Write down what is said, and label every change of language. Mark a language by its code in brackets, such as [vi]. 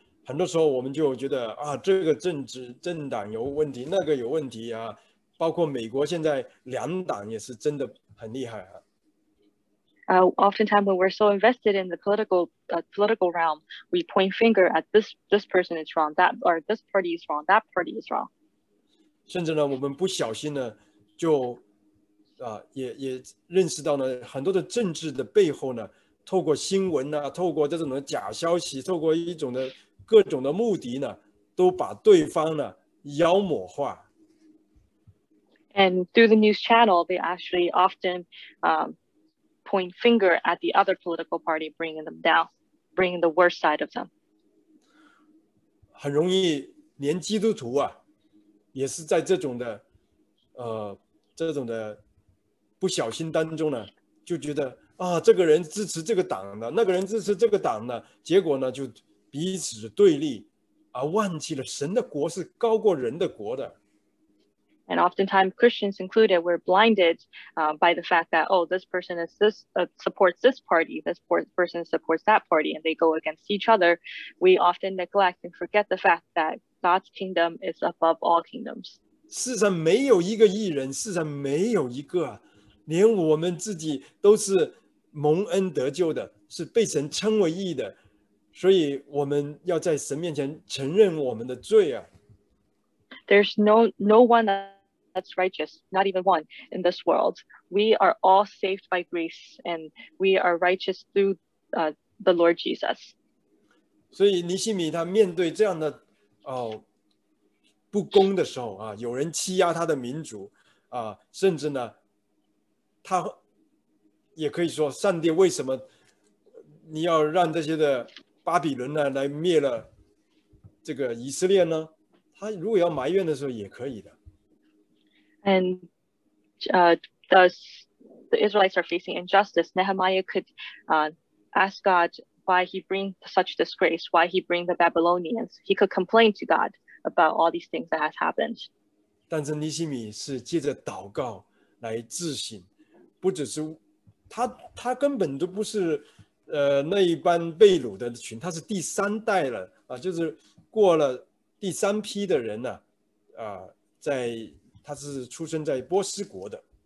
[zh] 很多时候我们就觉得、啊、这个政治政党有问题，那个有问题、啊、包括美国现在两党也是真的很厉害、啊。 [en] Oftentimes when we're so invested in the political realm, we point finger at this person is wrong, that or this party is wrong, that party is wrong. [zh] 甚至呢，我们不小心呢，就、啊、也认识到呢，很多的政治的背后呢，透过新闻啊，透过这种的假消息，透过一种的。各种的目的呢，都把对方呢妖魔化。 [en] And through the news channel, they actually often point finger at the other political party, bringing them down, bringing the worst side of them. [zh] 很容易，连基督徒啊，也是在这种的不小心当中呢，就觉得啊，这个人支持这个党的，那个人支持这个党的，结果呢就。彼此对立，而忘记了神的国是高过人的国的。 [en] And oftentimes, Christians included, we're blinded by the fact that, oh, this person is this supports this party, this person supports that party, and they go against each other. We often neglect and forget the fact that God's kingdom is above all kingdoms. [zh] 世上没有一个义人，世上没有一个，连我们自己都是蒙恩得救的，是被神称为义的，所以我们要在神面前承认我们的罪啊。 [en] There's no one that's righteous, not even one in this world. We are all saved by grace, and we are righteous through the Lord Jesus. [zh] 所以尼西米他面对这样的不公的时候啊，有人欺压他的民族啊，甚至呢，他也可以说，上帝为什么你要让这些的巴比伦呢来灭了这个以色列呢？他如果要埋怨的时候也可以的。 [en] And thus the Israelites are facing injustice. Nehemiah could ask God why he bring such disgrace, why he bring the Babylonians. He could complain to God about all these things that has happened. [zh] 但是尼希米是借着祷告来自省，不只是他根本都不是那一班被掳的群，他是第三代了啊，就是过了。第三批的人呢，在他是出生在波斯国的。